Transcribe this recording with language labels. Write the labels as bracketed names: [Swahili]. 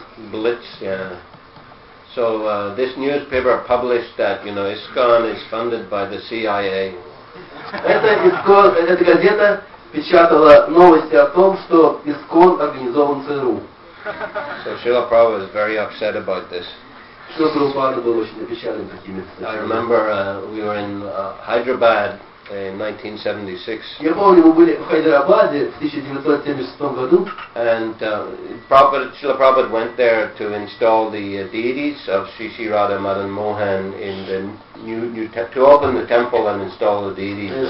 [English] Blitz, yeah. So this newspaper published that, you know, ISKCON is funded by the CIA. [Russian] Эта газета печатала новости о том, что ИСККОН организован ЦРУ. [English] So Srila Prabhupada was very upset about this. [Russian] Srila Prabhupada был очень опечален такими вещами. [English] I remember we were in Hyderabad in 1976. [Russian] Я помню, мы были в Хайдерабаде в 1976 году. [English] And Srila Prabhupada went there to install the deities of Shishi Radha Madan Mohan in the new to open the temple and install the deities.